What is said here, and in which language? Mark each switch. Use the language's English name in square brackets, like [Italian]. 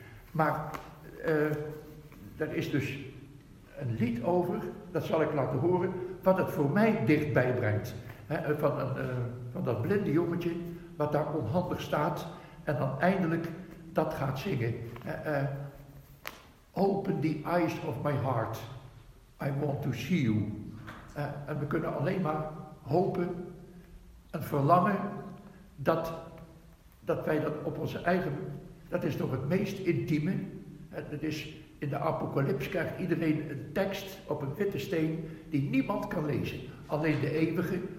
[Dutch] Maar er is dus een lied over, dat zal ik laten horen, wat het voor mij dichtbij brengt. He, van dat blinde jongetje wat daar onhandig staat en dan eindelijk dat gaat zingen. [English] Open the eyes of my heart, I want to see you. [Dutch] En we kunnen alleen maar hopen en verlangen dat wij dat op onze eigen, dat is toch het meest intieme. Het is in de Apocalyps krijgt iedereen een tekst op een witte steen die niemand kan lezen, alleen de eeuwige.